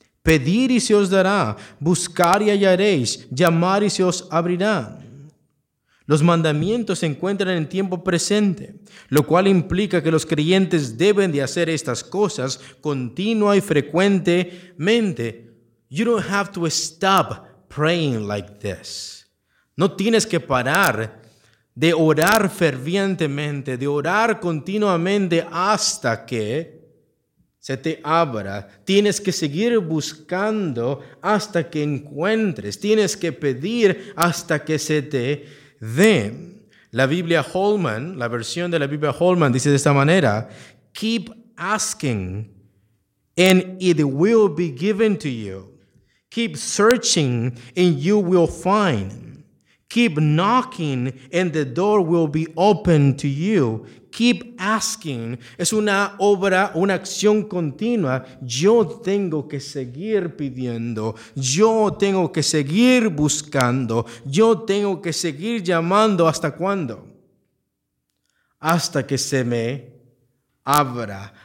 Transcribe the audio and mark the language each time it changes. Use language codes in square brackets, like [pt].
[es] Pedir y se os dará, buscar y hallaréis, llamar y se os abrirá. Los mandamientos se encuentran en tiempo presente, lo cual implica que los creyentes deben de hacer estas cosas continua y frecuentemente. [en] You don't have to stop praying like this. [es] No tienes que parar de orar fervientemente, de orar continuamente hasta que se te abra. Tienes que seguir buscando hasta que encuentres. Tienes que pedir hasta que se te dé. La Biblia Holman, la versión de la Biblia Holman dice de esta manera: [en] keep asking and it will be given to you. Keep searching and you will find. Keep knocking and the door will be open to you. Keep asking. [es] Es una obra, una acción continua. Yo tengo que seguir pidiendo. Yo tengo que seguir buscando. Yo tengo que seguir llamando. ¿Hasta cuándo? Hasta que se me abra.